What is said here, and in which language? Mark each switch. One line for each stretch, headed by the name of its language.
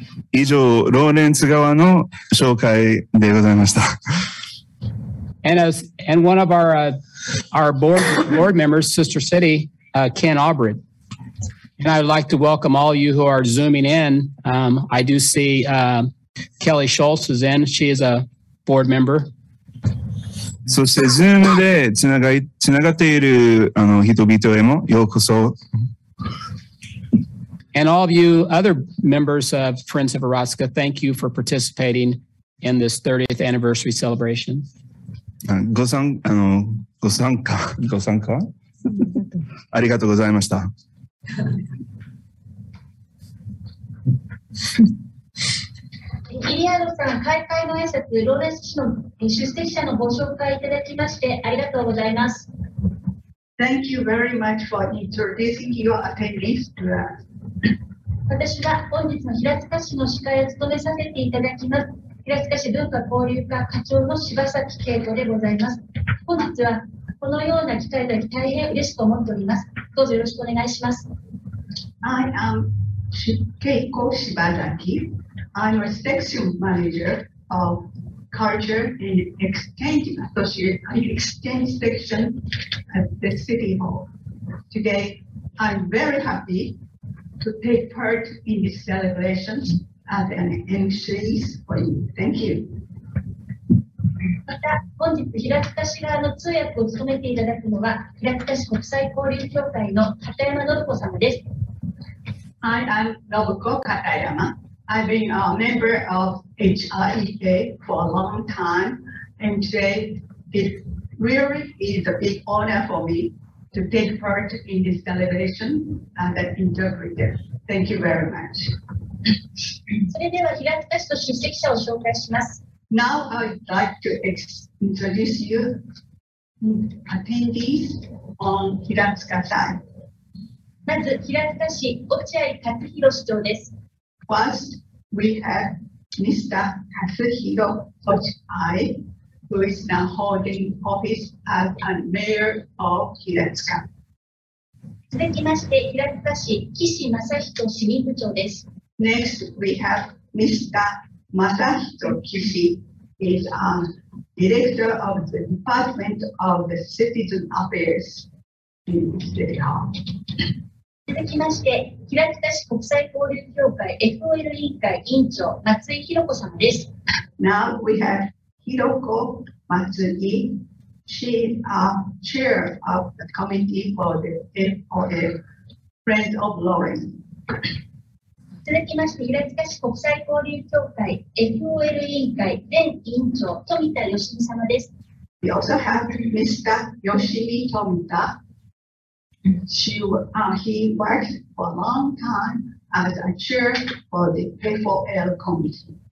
Japanese: 以上、ローレンツ側の紹介でございました。
English: And one of our board members, Sister City, Ken Albright. And I would like to welcome all you who are zooming in. I do see Kelly Schultz is in. She is a board member.
Japanese: そして、Zoom でつながっているあの人々へもようこそ。
English: And all of you other members of Friends of Hrvatska, thank you for participating in this 30th anniversary celebration.
Japanese: ご参加。ありがとうございました。イリアードさん、開会の挨拶、ローレンツ市の出席者のご紹介いただきましてありがとうございます。
English: Thank you very much for introducing your attendees to us.
Japanese: 私は本日の平塚市の司会を務めさせていただきます。平塚市文化交流課課長の柴崎恵子でございます。本日はこのような機会で大変嬉しく思っております。どうぞよろしくお願いします。
English: I am Keiko Shibazaki. I'm a section manager of Culture and Exchange Association, Exchange Section at the City Hall. Today, I'm very happy to take part in this celebration as an MC's for you. Thank you.
Japanese: また、本日平塚市側の通訳を務めていただくのは、平塚市国際交流協会の片山信子様です。
English: I am Nobuko Katayama. I've been a member of HIEA for a long time, and today it really is a big honor for me to take part in this celebration as an interpreter. Thank you very much. Now I'd like to introduce you attendees on Hiratsuka side.
Japanese: まず Hiratsuka 市落合勝弘市長です。
English: First, we have Mr. Kazuhiro Ochai, who is now holding office as a mayor of Hiratsuka.
Japanese: 続きまして、Hiratsuka 市、岸正人市民部長です。
English: Next, we have Mr. Masahito Kishi, is a director of the Department of the Citizen Affairs in the city hall.
Japanese: 続きまして、平塚市国際交流協会 FOL 委員会委員長、松井ひろこさんです。
English: Now we have Hiroko Matsui. She is a chair of the committee for the FOL Friends of Lawrence.
Japanese: 続きまして、平塚市国際交流協会 FOL 委員会前委員長、富田よしみ様です。
English: We also have Mr. Yoshimi Tomita. He worked for a long time as a chair for the FOL committee.